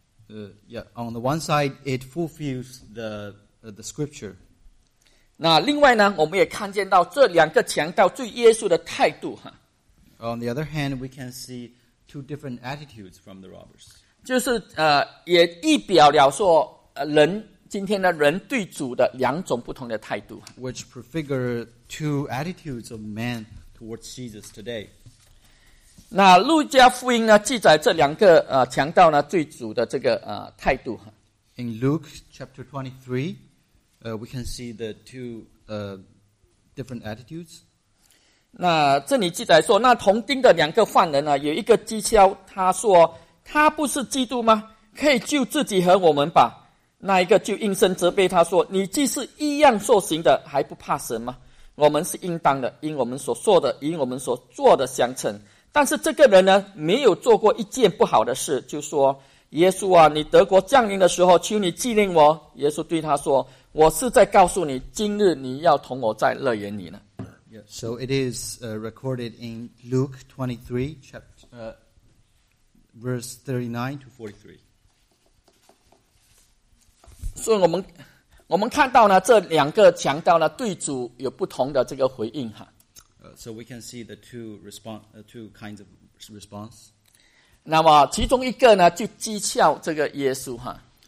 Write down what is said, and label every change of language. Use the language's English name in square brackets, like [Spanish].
[English] On the one side, it fulfills the scripture. [Chinese] 那另外呢，我们也看见到这两个强盗对耶稣的态度哈。 [English] On the other hand, we can see two different attitudes from the robbers. [Chinese] 就是也预表了说人今天的人对主的两种不同的态度。 [English] Which prefigure two attitudes of man towards Jesus today. [Chinese] 那路加福音呢记载这两个强盗呢对主的这个态度哈。 [English] In Luke chapter 23. We can see the two different attitudes. [Chinese] 那这里记载说，那同钉的两个犯人呢，有一个讥诮，他说：“他不是基督吗？可以救自己和我们吧。” 那一个就应声责备他说：“你既是一样受刑的，还不怕神吗？我们是应当的，因我们所说的，因我们所做的相称。但是这个人呢，没有做过一件不好的事，就说：‘耶稣啊，你德国降临的时候，求你纪念我。’ 耶稣对他说。” 我是在告诉你，今日你要同我在乐园里呢。 [English] Yes, so it is recorded in Luke 23, verse 39-43. [Chinese] 所以我们看到呢，这两个强盗呢，对主有不同的这个回应哈。 [English] So we can see the two kinds of response. [Chinese] 那么其中一个呢，就讥诮这个耶稣哈。